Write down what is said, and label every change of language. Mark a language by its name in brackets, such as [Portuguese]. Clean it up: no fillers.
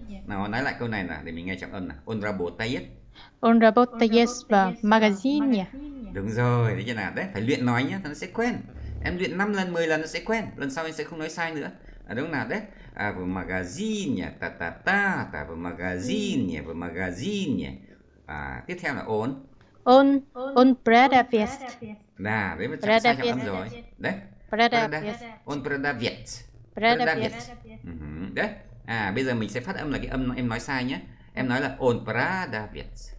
[Vietnamese] Nào, nói lại câu này nào, để mình nghe trọng âm nào. [Russian] Он работает. Он работает в магазине. [Vietnamese] Đúng rồi, thế nào? Đấy, phải luyện nói nhé, nó sẽ quen. Em luyện 5 lần, 10 lần nó sẽ quen. Lần sau em sẽ không nói sai nữa. À, đúng nào, đấy. [Russian] À, в магазине, та-та-та, в магазине, в магазине. [Vietnamese] À, tiếp theo là он. [Russian] Он продавец. [Vietnamese] Да, đấy, mà chẳng sai trọng âm rồi. [Russian] Đấy. Он продавец. Продавец. [Vietnamese] Đấy. À, bây giờ mình sẽ phát âm là cái âm em nói sai nhé. Em nói là [Russian] он продавец.